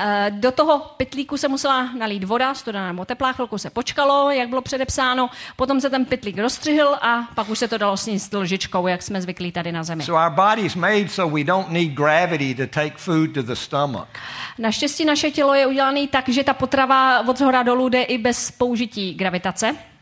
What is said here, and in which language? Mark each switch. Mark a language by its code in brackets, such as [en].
[cs] Do toho pytlíku se musela nalít voda, studená nebo teplá, chvilku se počkalo, jak bylo předepsáno, potom se ten pytlík rozstřihl a pak už se to dalo sníst lžičkou, jak jsme zvyklí tady na zemi. [en] So our body's made so we don't need gravity to take food to the stomach. [cs] Naštěstí naše tělo je udělané tak, že ta potrava od zhora dolů jde i bez použití gravitace.